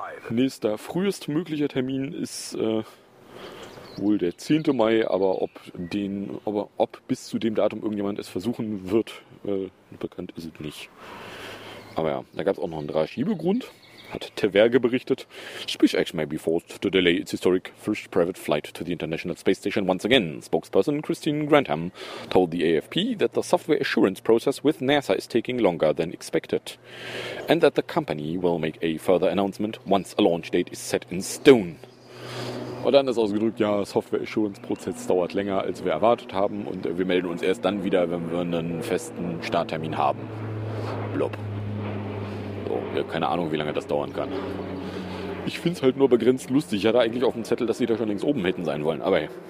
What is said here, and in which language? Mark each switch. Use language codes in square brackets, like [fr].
[de] Nächster frühestmöglicher Termin ist wohl der 10. Mai, aber ob bis zu dem Datum irgendjemand es versuchen wird, bekannt ist es nicht. Aber ja, da gab es auch noch einen Drei-Schiebegrund, hat Teverge berichtet. [en] SpaceX may be forced to delay its historic first private flight to the International Space Station once again. Spokesperson Christine Grantham told the AFP that the software assurance process with NASA is taking longer than expected. And that the company will make a further announcement once a launch date is set in stone. [de] Oder anders ausgedrückt, ja, Software Assurance Prozess dauert länger, als wir erwartet haben. Und wir melden uns erst dann wieder, wenn wir einen festen Starttermin haben. Blob. Keine Ahnung, wie lange das dauern kann. Ich finde es halt nur begrenzt lustig. Ich hatte eigentlich auf dem Zettel, dass sie da schon längst oben hätten sein wollen. Aber hey.